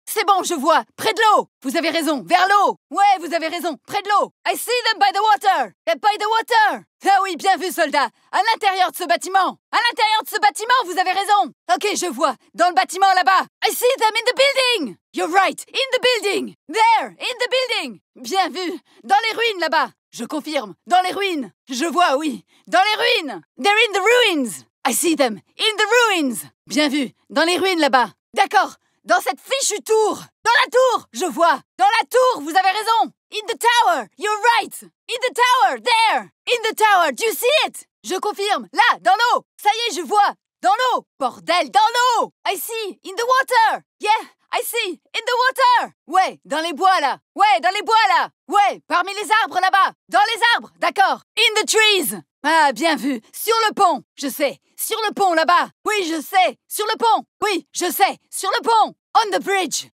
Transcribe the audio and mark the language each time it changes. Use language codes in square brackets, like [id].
[fr] C'est bon, je vois, près de l'eau. Vous avez raison, vers l'eau. Ouais, vous avez raison, près de l'eau. [en] I see them by the water. They're by the water. [fr] Ah oui, bien vu, soldat. À l'intérieur de ce bâtiment. À l'intérieur de ce bâtiment, vous avez raison. Ok, je vois, dans le bâtiment là-bas. [en] I see them in the building. You're right, in the building. There, in the building. [fr] Bien vu, dans les ruines là-bas. Je confirme, dans les ruines. [en] Je vois, oui, dans les ruines. They're in the ruins. I see them, in the ruins. [fr] Bien vu, dans les ruines là-bas. D'accord, dans cette fichue tour. Dans la tour, je vois. Dans la tour, vous avez raison. [en] In the tower, you're right. In the tower, there. In the tower, do you see it? [fr] Je confirme, là, dans l'eau. Ça y est, je vois. Dans l'eau. Bordel, dans l'eau. [en] I see, in the water. Yeah, I see, in the water. [fr] Ouais, dans les bois, là. Ouais, dans les bois, là. Ouais, parmi les arbres, là-bas. Dans les arbres, d'accord. [en] In the trees. [fr] Ah, bien vu. Sur le pont, je sais. Sur le pont, là-bas. Oui, je sais. Sur le pont. Oui, je sais. Sur le pont. [en] On the bridge.